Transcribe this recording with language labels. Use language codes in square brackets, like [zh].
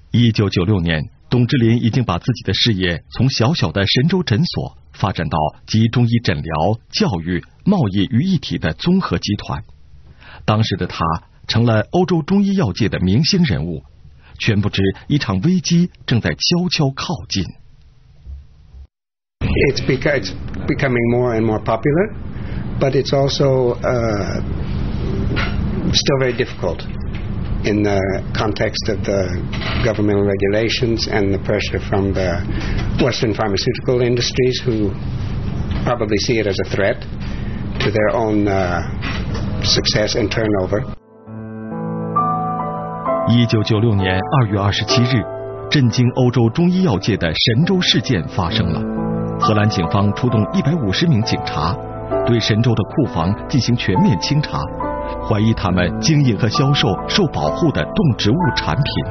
[zh] 1996年，董志林已经把自己的事业从小小的神州诊所发展到集中医诊疗、教育、贸易于一体的综合集团。当时的他成了欧洲中医药界的明星人物，全不知一场危机正在悄悄靠近。 [en] It's becoming more and more popular, but it's also still very difficult in the context of the governmental regulations and the pressure from the Western pharmaceutical industries, who probably see it as a threat to their own success and turnover. [zh] 1996年2月27日，震惊欧洲中医药界的神州事件发生了。荷兰警方出动150名警察，对神州的库房进行全面清查，怀疑他们经营和销售受保护的动植物产品。